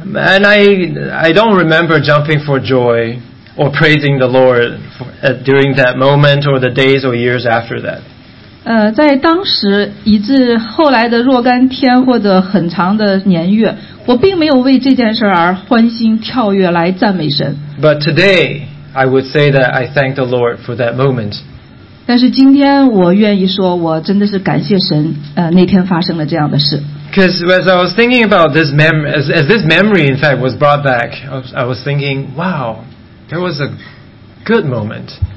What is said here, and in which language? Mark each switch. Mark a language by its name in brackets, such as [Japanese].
[English] And I don't remember jumping for joy or praising the Lord during that moment or the days or years after that. [Chinese] 在当时以至后来的若干天或者很长的年月，我并没有为这件事而欢欣跳跃来赞美神。 [English] But today, I would say that I thank the Lord for that moment. [Chinese] 但是今天我愿意说，我真的是感谢神，那天发生了这样的事。 [English] Because as I was thinking about this memory, as this memory in fact was brought back, I was thinking, wow, there was a good moment.